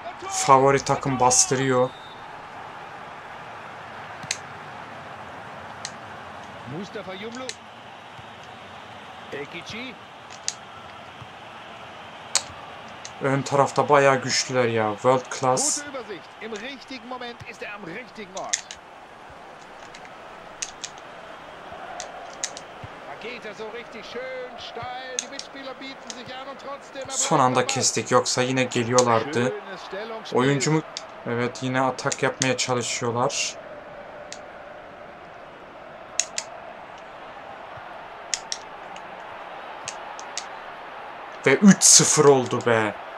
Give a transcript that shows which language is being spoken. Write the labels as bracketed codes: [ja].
[tr] Favori takım bastırıyor. Mustafa Yumlu. Ekici. Ön tarafta bayağı güçlüler ya. [en] World class. [de] Im richtigen Moment ist am richtigen Ort. Paketa so richtig schön steil. Die Mitspieler bieten sich an und trotzdem. [tr] Son anda kestik, yoksa yine geliyorlardı. Oyuncumu, evet, yine atak yapmaya çalışıyorlar. Ve 3-0 oldu be.